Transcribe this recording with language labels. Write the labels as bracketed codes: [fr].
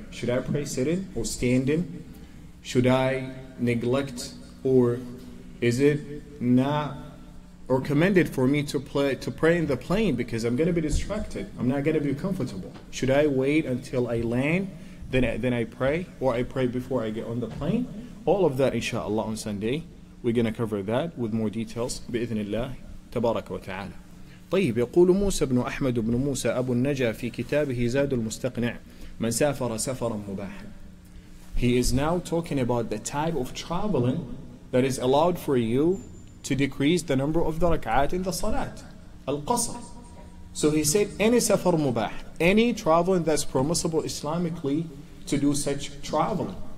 [en] Should I pray sitting or standing? Should I neglect, or is it not or commended for me to pray in the plane because I'm going to be distracted? I'm not going to be comfortable. Should I wait until I land, then I pray, or I pray before I get on the plane? All of that, inshallah, on Sunday, we're going to cover that with more details, bi-ithnillah, tabarak wa ta'ala. [ar] طيب يقول موسى بن أحمد بن موسى أبو النجا في كتابه زاد المستقنع من سافر سفرا مباحا. [en] He is now talking about the type of traveling that is allowed for you to decrease the number of the rak'at in the salat, القصر. So he said any سفر مباح, any traveling that's permissible Islamically to do such traveling.